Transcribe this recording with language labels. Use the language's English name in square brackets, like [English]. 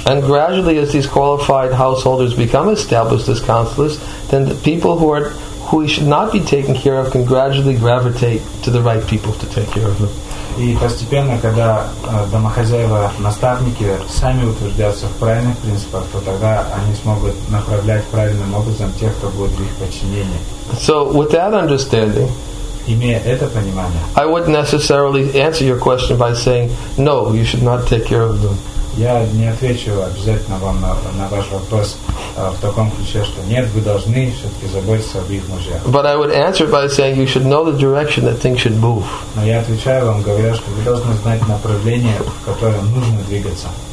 [English] And gradually, as these qualified householders become established as counselors, then the people who should not be taken care of can gradually gravitate to the right people to take care of them. [Russian] И постепенно, когда домохозяева, наставники сами утвердятся в правильных принципах, то тогда они смогут направлять правильным образом тех, кто будет в их подчинении. [English] So, with that understanding, [Russian] имея это понимание, [English] I wouldn't necessarily answer your question by saying, no, you should not take care of them. [Russian] Я не отвечу обязательно вам на ваш вопрос в таком ключе, что нет, вы должны все-таки заботиться об их муже. [English] But I would answer by saying you should know the direction that things should move. [Russian] Но я отвечаю вам, говоря, что вы должны знать направление, в котором нужно двигаться.